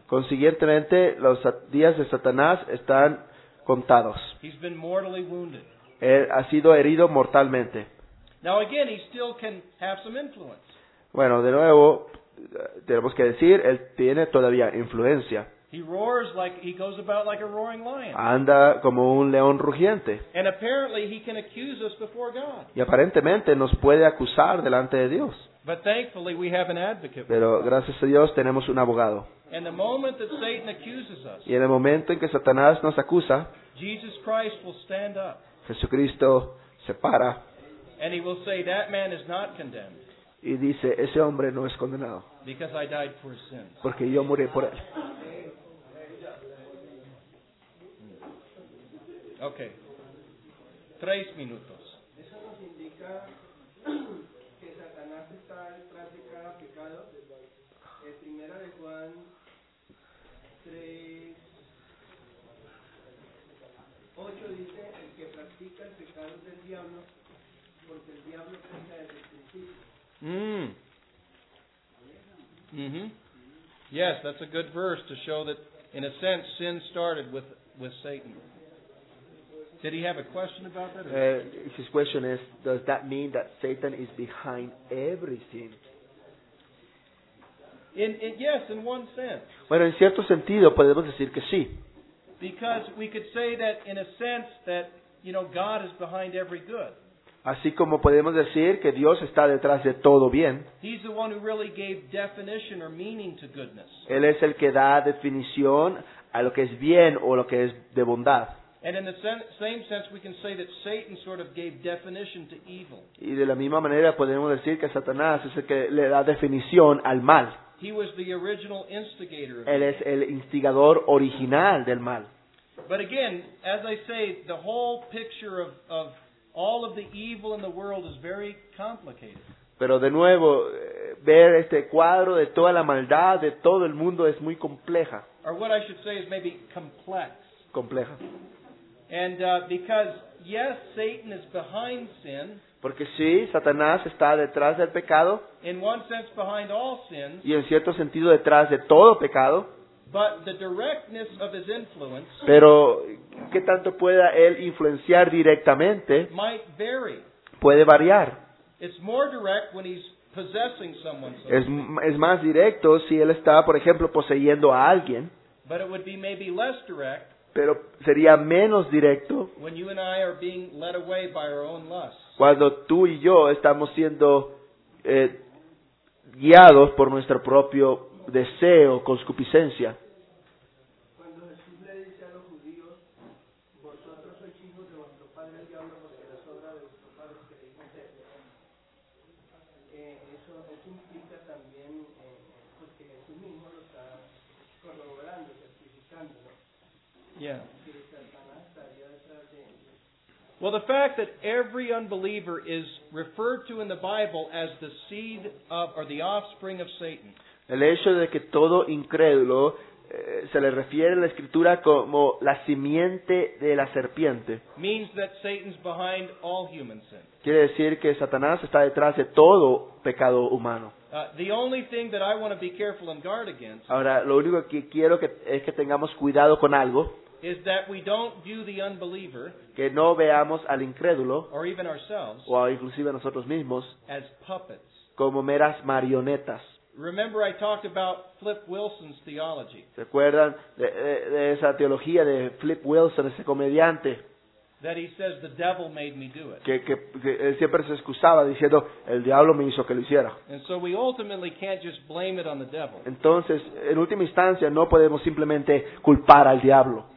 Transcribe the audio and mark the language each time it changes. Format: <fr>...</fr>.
<es>Consiguientemente, los días de Satanás están contados.</es> <en>He's been mortally wounded.</en> <es>Él ha sido herido mortalmente.</es> <en>Now again, he still can have some influence.</en> <es>Bueno, de nuevo, tenemos que decir, él tiene todavía influencia.</es> <en>He roars like he goes about like a roaring lion.</en> <es>Anda como un león rugiente.</es> <en>And apparently he can accuse us before God.</en> <es>Y aparentemente nos puede acusar delante de Dios.</es> <en>But thankfully we have an advocate.</en> <es>Pero gracias a Dios tenemos un abogado.</es> <en>And the moment that Satan accuses us.</en> <es>Y en el momento en que Satanás nos acusa.</es> <en>Jesus Christ will stand up.</en> <es>Jesucristo se para.</es> <en>And he will say that man is not condemned.</en> <es>Y dice, ese hombre no es condenado.</es> <en>Because I died for his sins.</en> <es>Porque yo morí por él. Okay. Tres minutos. Eso nos indica que Satanás está detrás de cada pecado. En primera de Juan 3:8 dice, el que practica el pecado es del diablo, porque el diablo está desde el principio.</es> <en>Yes, that's a good verse to show that, in a sense, sin started with Satan. Did he have a question about that? His question is, does that mean that Satan is behind every sin? Yes, in one sense.</en> <es>Bueno, en cierto sentido podemos decir que sí.</es> <en>Because we could say that, in a sense, that, you know, God is behind every good.</en> <es>Así como podemos decir que Dios está detrás de todo bien.</es> <en>He's the one who really gave definition or meaning to goodness.</en> <es>Él es el que da definición a lo que es bien o lo que es de bondad.</es> <en>And in the same sense we can say that Satan sort of gave definition to evil.</en> <es>Y de la misma manera podemos decir que Satanás es el que le da definición al mal.</es> <en>He was the original instigator of</en> <es>Él es el instigador original del mal.</es> <en>But again, as I say, the whole picture of all of the evil in the world is very complicated.</en> <es>Pero de nuevo, ver este cuadro de toda la maldad de todo el mundo es muy compleja.</es> <en>Or what I should say is maybe complex.</en> <es>Compleja.</es> <en>And because yes, Satan is behind sin.</en> <es>Porque sí, Satanás está detrás del pecado.</es> <en>In one sense, behind all sins.</en> <es>Y en cierto sentido, detrás de todo pecado.</es> <en>But the directness of his influence,</en> <es>pero qué tanto pueda él influenciar directamente,</es> <en>might vary.</en> <es>Puede variar.</es> <en>It's more direct when he's possessing someone.</en> <es>Es más directo si él está, por ejemplo, poseyendo a alguien.</es> <en>But it would be maybe less direct.</en> <es>Pero sería menos directo</es> <en>when you and I are being led away by our own lust.</en> <es>Cuando tú y yo estamos siendo guiados por nuestro propio deseo, concupiscencia. Cuando Jesús le dice a los judíos, vosotros sois hijos de vuestro padre el diablo, porque las obras de vuestros padres queréis hacer. Eso es un pista también, porque Jesús mismo lo está corroborando, certificando.</es> <en>Yeah. Well, the fact that every unbeliever is referred to in the Bible as the seed of, or the offspring of Satan.</en> <es>El hecho de que todo incrédulo se le refiere en la Escritura como la simiente de la serpiente.</es> <en>Means that Satan's behind all human sin.</en> <es>Quiere decir que Satanás está detrás de todo pecado humano.</es> <en>The only thing that I want to be careful and guard against.</en> <es>Ahora, lo único que quiero es que tengamos cuidado con algo.</es> <en>Is that we don't view the unbeliever,</en> <es>que no veamos al incrédulo,</es> <en>or even ourselves,</en> <es>o inclusive a nosotros mismos,</es> <en>as puppets,</en> <es>como meras marionetas.</es> <en>Remember I talked about Flip Wilson's theology.</en> <es>¿Se acuerdan de esa teología de Flip Wilson, ese comediante?</es> <en>That he says the devil made me do it.</en> <es>Que él siempre se excusaba diciendo, el diablo me hizo que lo hiciera.</es> <en>And so we ultimately can't just blame it on the devil.</en> <es>Entonces, en última instancia, no podemos simplemente culpar al diablo.</es>